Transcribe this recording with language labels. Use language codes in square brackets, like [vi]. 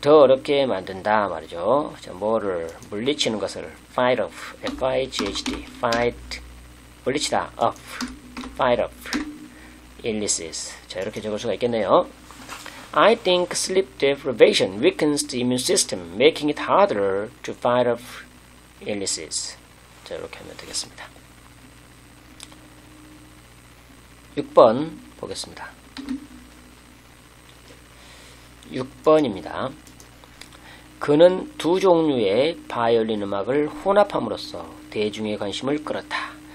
[ko] 더 어렵게 만든다 말이죠. 자, 뭐를 물리치는 것을 fight off. fight. 물리치다. off. fight off. illnesses. 자, 이렇게 적을 수가 있겠네요. [en] I think sleep deprivation weakens the immune system, making it harder to fight off illnesses. [ko] 자, 이렇게 하면 되겠습니다. 6번 보겠습니다. 6번입니다. 그는 두 종류의 바이올린 음악을 혼합함으로써 대중의 관심을 끌었다.